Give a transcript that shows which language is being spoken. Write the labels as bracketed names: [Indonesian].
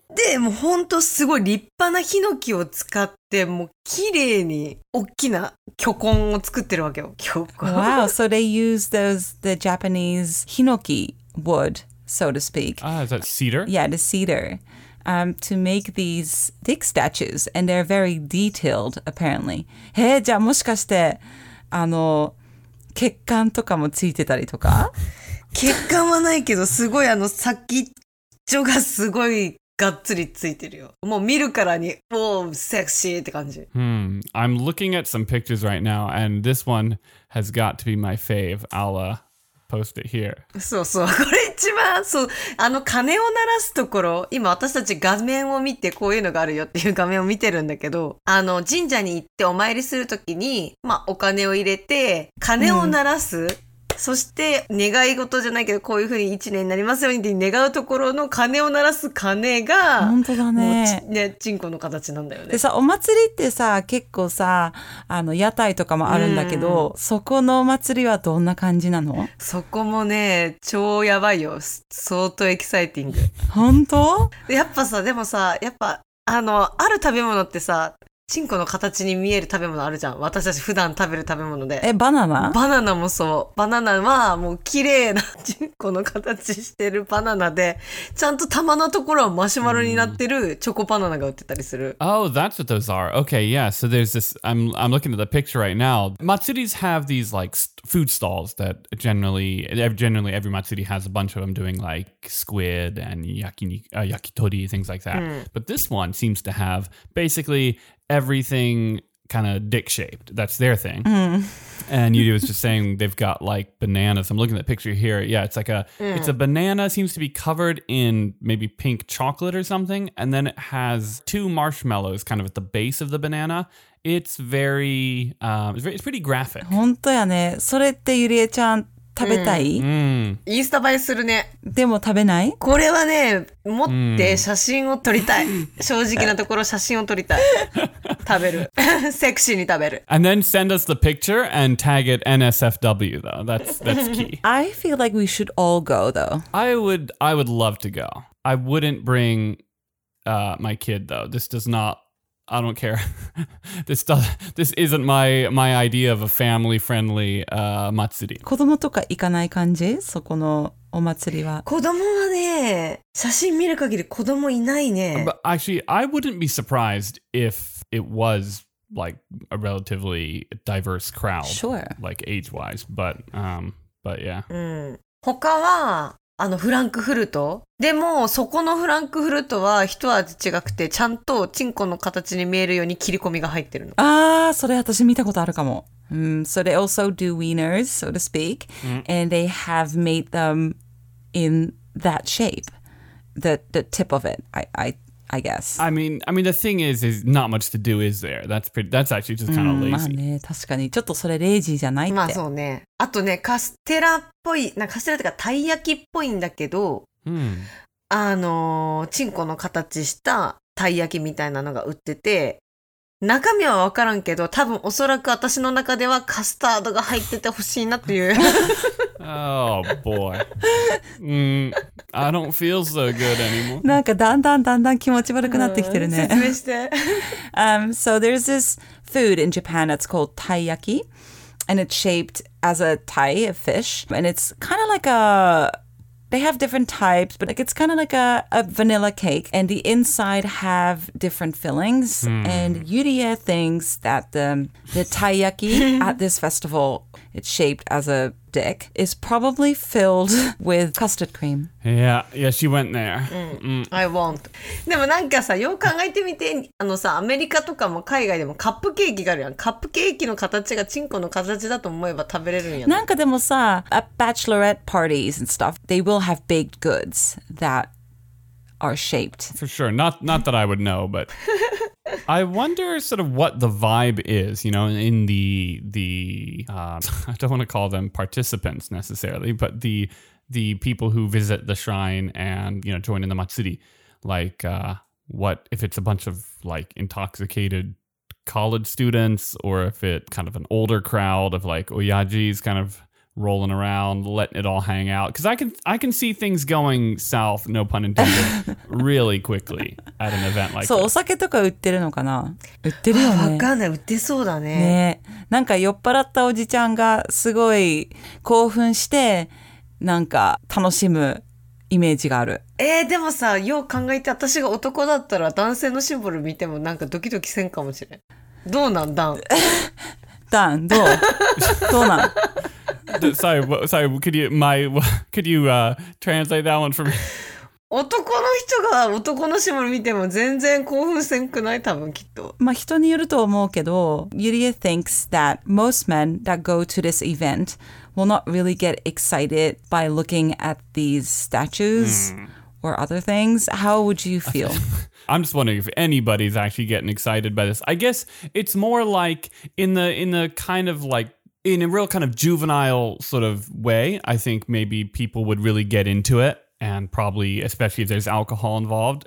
[Japanese] でも本当すごい立派なヒノキを使ってもう綺麗に大きな巨根を作ってるわけよ。巨根。 [English] Wow, so they use the Japanese hinoki wood, so to speak. Ah, is that cedar? Yeah, the cedar. To make these dick statues, and they're very detailed, apparently. [Japanese] へえ、じゃあもしかして、あの、血管とかもついてたりとか？血管はないけど、すごいあの、さっき、蝶がすごいがっつりついてるよ。もう見るからに、おー、セクシーって感じ。 [English] I'm looking at some pictures right now, and this one has got to be my fave. I'll, post it here. [Japanese] そうそう、これ一番、そう、あの鐘を鳴らすところ、今私たち画面を見てこういうのがあるよっていう画面を見てるんだけど、あの、神社に行ってお参りするときに、まあ、お金を入れて、鐘を鳴らす。うんそして願い事じゃないけどこういう風に1年になりますようにって願うところの鐘を鳴らす鐘が本当だね。ね、チンコの形なんだよね。でさお祭りってさ結構さあの屋台とかもあるんだけどそこのお祭りはどんな感じなの？そこもね超やばいよ。相当エキサイティング。本当？やっぱさでもさやっぱあのある食べ物ってさ。チンコの形に見える食べ物あるじゃん。私たち普段食べる食べ物で。え、バナナ？バナナもそう。バナナはもう綺麗なチンコの形してるバナナで、ちゃんと玉のところはマシュマロになってるチョコバナナが売ってたりする。 [English] Mm. Oh, that's what those are. Okay, yeah. So there's this, I'm looking at the picture right now. Matsuris have these like food stalls that generally every matsuri has a bunch of them doing like squid and yakitori, things like that. Mm. But this one seems to have basically... Everything kind of dick-shaped. That's their thing. Mm. And Yuri was just saying they've got like bananas. I'm looking at the picture here. Yeah, it's like a, it's a banana seems to be covered in maybe pink chocolate or something. And then it has two marshmallows kind of at the base of the banana. It's very, it's pretty graphic. [Japanese] 本当やね。それってユリエちゃん食べたい？インスタ映えするね。でも食べない？これはね、持って写真を撮りたい。正直なところ写真を撮りたい。食べる。セクシーに食べる。 [English] And then send us the picture and tag it NSFW though. That's key. I feel like we should all go though. I would love to go. I wouldn't bring my kid though. This does not I don't care. this isn't my idea of a family-friendly matsuri. [Japanese] 子供とか行かない感じ？そこのお祭りは。子供はね、写真見る限り子供いないね。 [English] But actually, I wouldn't be surprised if it was like a relatively diverse crowd. Sure. Like age-wise, but yeah. [Japanese] うん。他は、あのフランクフルト？でもそこのフランクフルトは一味違くて、ちゃんとチンコの形に見えるように切り込みが入ってるの。ああ、それ私見たことあるかも。 [English] So they also do wieners, so to speak, and they have made them in that shape, the tip of it. I guess. I mean, the thing is not much to do, is there? That's actually just kind of lazy. [Japanese] まあね、確かに。ちょっとそれレイジーじゃないって。まあそうね。あとね、カステラっぽい、なんかカステラっていうか、たい焼きっぽいんだけど、チンコの形したたい焼きみたいなのが売ってて、中身は分からんけど、多分おそらく私の中ではカスタードが入っててほしいなっていう。 [English] Oh boy. I don't feel so good anymore. [Japanese] なんかだんだんだんだん気持ち悪くなってきてるね。説明して。 [English] So there's this food in Japan that's called taiyaki, and it's shaped as a tai, a fish, and it's kind of like a... They have different types, but like it's kind of like a vanilla cake, and the inside have different fillings. And Yuria thinks that the taiyaki at this festival, it's shaped as a dick, is probably filled with custard cream. Yeah, she went there. I won't. [Japanese] でもなんかさ、よく考えてみて、あのさ、アメリカとかも海外でもカップケーキがあるやん。カップケーキの形がチンコの形だと思えば食べれるんやん。なんかでもさ、 [English] at bachelorette parties and stuff, they will have baked goods that are shaped. For sure. Not that I would know, but... I wonder sort of what the vibe is, you know, in the I don't want to call them participants necessarily, but the people who visit the shrine and, you know, join in the matsuri, like what if it's a bunch of like intoxicated college students, or if it's kind of an older crowd of like oyajis kind of rolling around, letting it all hang out. Because I can see things going south, no pun intended, really quickly at an event like this. [Japanese] So, お酒とか売ってるのかな？売ってるよね。わかんない。売ってそうだね。ね。なんか酔っ払ったおじちゃんがすごい興奮して、なんか楽しむイメージがある。でもさ、よう考えて、私が男だったら男性のシンボル見てもなんかドキドキせんかもしれん。どうなん、ダン？ダン、どう？どうなん？ [English] Sorry, could you translate that one for me? [Japanese] 男の人が男のシモル見ても全然興奮せんくない、多分きっと。まあ人によると思うけど、 [English] Yuria thinks that most men that go to this event will not really get excited by looking at these statues or other things. How would you feel? I'm just wondering if anybody's actually getting excited by this. I guess it's more like in the kind of like, in a real kind of juvenile sort of way, I think maybe people would really get into it, and probably, especially if there's alcohol involved.